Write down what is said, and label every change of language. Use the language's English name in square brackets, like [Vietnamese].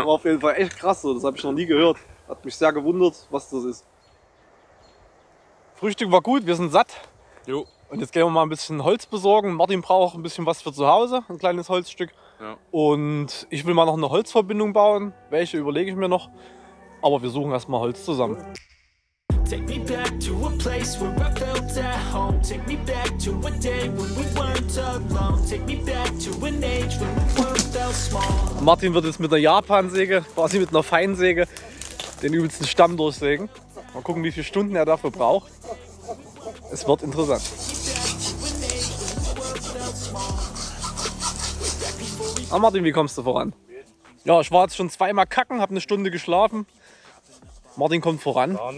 [German] War auf jeden Fall echt krass, das habe ich noch nie gehört. Hat mich sehr gewundert, was das ist. Frühstück war gut, wir sind satt. Jo. Und jetzt gehen wir mal ein bisschen Holz besorgen. Martin braucht ein bisschen was für zu Hause, ein kleines Holzstück. Ja. Und ich will mal noch eine Holzverbindung bauen. Welche überlege ich mir noch. Aber wir suchen erstmal Holz zusammen. [English] Take me back to a place where I felt at home. Take me back to a day when we weren't alone. Take me back to an age when we weren't felt small. [German] Martin wird jetzt mit einer Japansäge, quasi mit einer Feinsäge, den übelsten Stamm durchsägen. Mal gucken, wie viele Stunden er dafür braucht. Es wird interessant. Ah, Martin, wie kommst du voran? Ja, ich war jetzt schon zweimal kacken, habe eine Stunde geschlafen. Martin kommt voran.